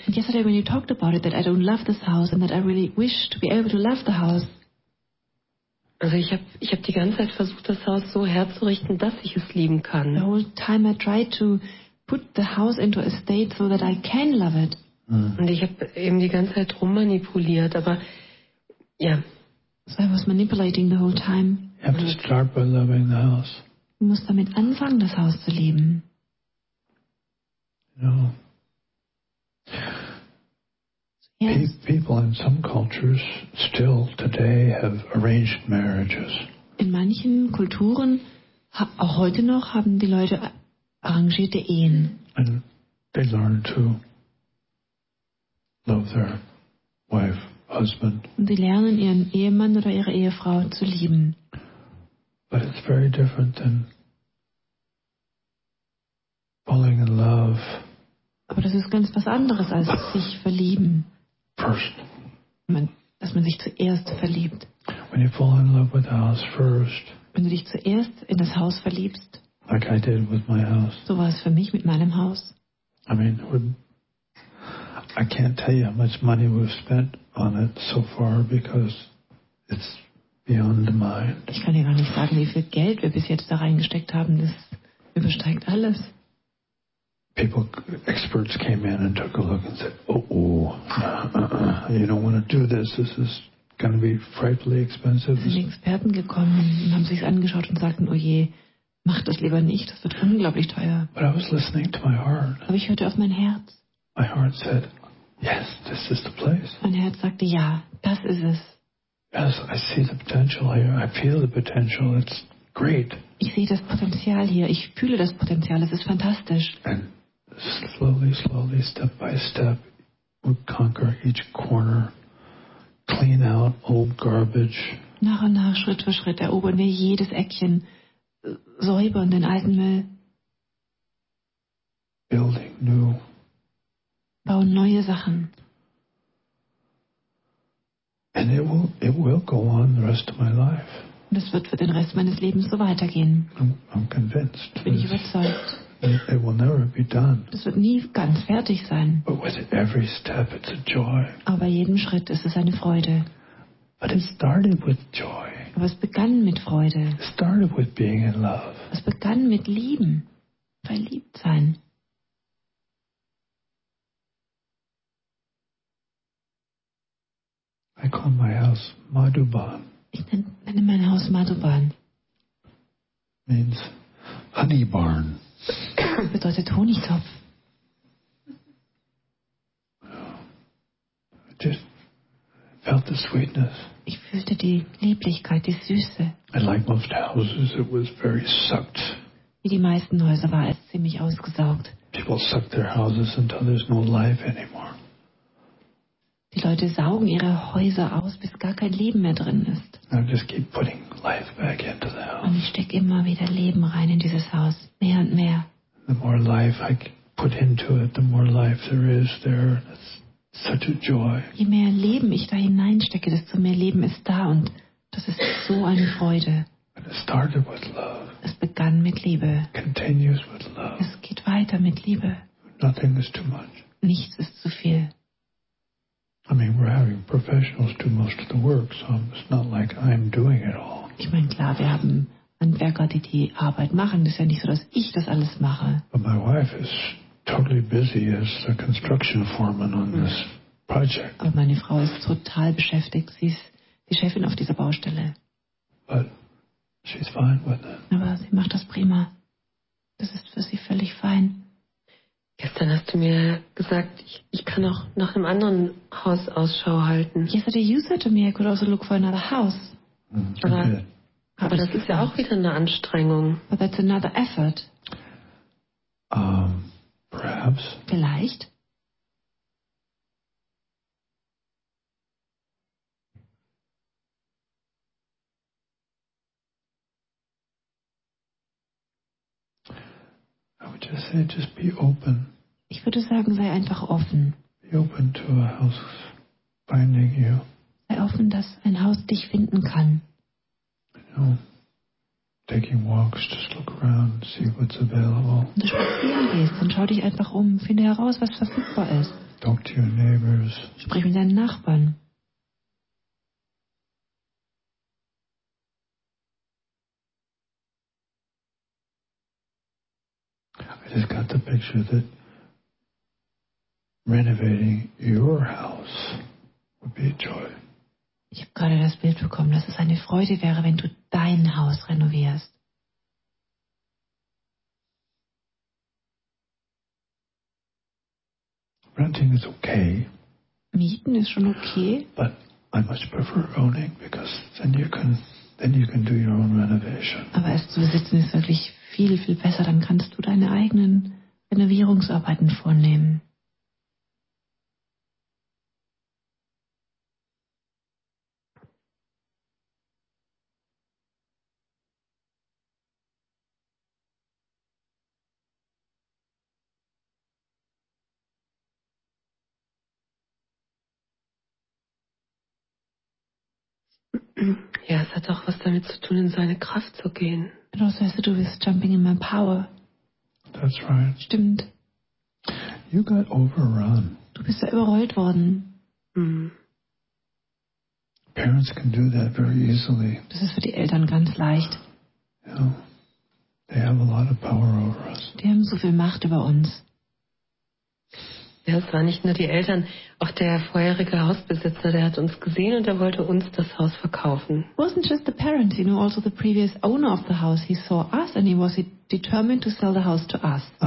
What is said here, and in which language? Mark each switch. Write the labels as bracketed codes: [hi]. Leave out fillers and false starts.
[en] And yesterday when you talked about it, that I don't love this house and that I really wish to be able to love the house. [de] Also ich hab die ganze Zeit versucht, das Haus so herzurichten, dass ich es lieben kann. [en] The whole time I tried to put the house into a state so that I can love it. [de] Und ich habe eben die ganze Zeit rummanipuliert, aber ja. [en] So I was manipulating the whole time. You have to start by loving the house. [de] Du musst damit anfangen, das Haus zu lieben. [en] No. Yes. People in some cultures still today have arranged marriages. [de] In manchen Kulturen, auch heute noch, haben die Leute arrangierte Ehen. [en] And they learn to love their wife, husband. [de] Und sie lernen ihren Ehemann oder ihre Ehefrau zu lieben. [en] But it's very different than falling in love. [de] Aber das ist ganz was anderes als sich verlieben. [en] First. [de] Dass man sich zuerst verliebt. [en] When you fall in love with the house first. [de] Wenn du dich zuerst in das Haus verliebst. [en] Like I did with my house. [de] So war es für mich mit meinem Haus. [en] I mean, I can't tell you how much money we've spent on it so far because it's beyond the mind. [de] Ich kann dir gar nicht sagen, wie viel Geld wir bis jetzt da reingesteckt haben. Das übersteigt alles. [en] People, experts came in and took a look and said, you don't want to do this. This is going to be frightfully expensive. [de] Sind Experten gekommen und haben sich's angeschaut und sagten, oh je, mach das lieber nicht. Das wird unglaublich teuer. [en] But I was listening to my heart. [de] Aber ich hörte auf mein Herz. [en] My heart said, yes, this is the place. [de] Mein Herz sagte, ja, das ist es. [en] Yes, I see the potential here. I feel the potential. It's great. [de] Ich sehe das Potenzial hier. Ich fühle das Potenzial. Es ist fantastisch. [en] And slowly, slowly, step by step, we conquer each corner, clean out old garbage. [de] Nach und nach, Schritt für Schritt, erobern wir jedes Eckchen, säubern den alten Müll. [en] Building new. [de] Bauen neue Sachen. [en] And it will go on the rest of my life. [de] Und es wird für den Rest meines Lebens so weitergehen. [en] I'm convinced. [de] Bin ich überzeugt. [en] It will never be done. [de] Es wird nie ganz fertig sein. [en] But with every step, it's a joy. [de] Aber jedem Schritt ist es eine Freude. [en] But it started with joy. [de] Aber es begann mit Freude. [en] It started with being in love. [de] Es begann mit Lieben, verliebt sein. [en] I call my house Madhuban. [de] Ich nenne mein Haus Madhuban. [en] Means honey barn. [de] Bedeutet Honigtopf. [en] I just felt the sweetness. [de] Ich fühlte die Lieblichkeit, die Süße. [en] And like most houses, it was very sucked. [de] Wie die meisten Häuser war es ziemlich ausgesaugt. [en] People suck their houses until there's no life anymore. [de] Die Leute saugen ihre Häuser aus, bis gar kein Leben mehr drin ist. [en] I just keep putting life back into the house. [de] Und ich stecke immer wieder Leben rein in dieses Haus, mehr und mehr. [en] The more life I put into it, the more life there is there. It's such a joy. [de] Je mehr Leben ich da hineinstecke, desto mehr Leben ist da und das ist so eine Freude. [en] And it started with love. [de] Es begann mit Liebe. [en] Continues with love. [de] Es geht weiter mit Liebe. [en] Nothing is too much. [de] Nichts ist zu viel. [en] I mean, we're having professionals do most of the work, so it's not like I'm doing it all. [de] Ich meine, klar, wir haben Handwerker, die Arbeit machen. Das ist ja nicht so, dass ich das alles mache. [en] But my wife is totally busy as the construction foreman on this project. [de] Aber meine Frau ist total beschäftigt. Sie ist die Chefin auf dieser Baustelle. [en] But she's fine with it. [de] Aber sie macht das prima. Das ist für sie völlig fein. Gestern hast du mir gesagt, ich kann auch nach einem anderen Haus Ausschau halten. [en] Yesterday you said to me, I could also look for another house. Mm, [de] Aber das ist ja auch wieder eine Anstrengung. [en] But that's another effort. Perhaps. [de] Vielleicht. [en] I would just say, just be open. [de] Ich würde sagen, sei einfach offen. [en] Be open to a house finding you. [de] Sei offen, dass ein Haus dich finden kann. [en] You know, taking walks, just look around, see what's available. [de] Du spazieren gehst, dann schau dich einfach um, finde heraus, was verfügbar ist. [en] Talk to your neighbors. [de] Sprich mit deinen Nachbarn. [en] I just got the picture that renovating your house would be a joy. [de] Ich habe gerade das Bild bekommen, dass es eine Freude wäre, wenn du dein Haus renovierst. [en] Renting is okay. [de] Mieten ist schon okay. [en] But I much prefer owning because then you can do your own renovation. [de] Aber es zu besitzen ist wirklich viel, viel besser. Dann kannst du deine eigenen Renovierungsarbeiten vornehmen. Ja, es hat auch was damit zu tun, in seine Kraft zu gehen. [en] It also has to do with jumping in my power. That's right. [de] Stimmt. [en] You got overrun. [de] Du bist ja überrollt worden. [en] Parents can do that very easily. [de] Das ist für die Eltern ganz leicht. [en] Yeah. They have a lot of power over us. [de] Die haben so viel Macht über uns. Ja, es waren nicht nur die Eltern, auch der vorherige Hausbesitzer, der hat uns gesehen und er wollte uns das Haus verkaufen. [en] It wasn't just the parents, you know, also the previous owner of the house. He saw us and he was determined to sell the house to us.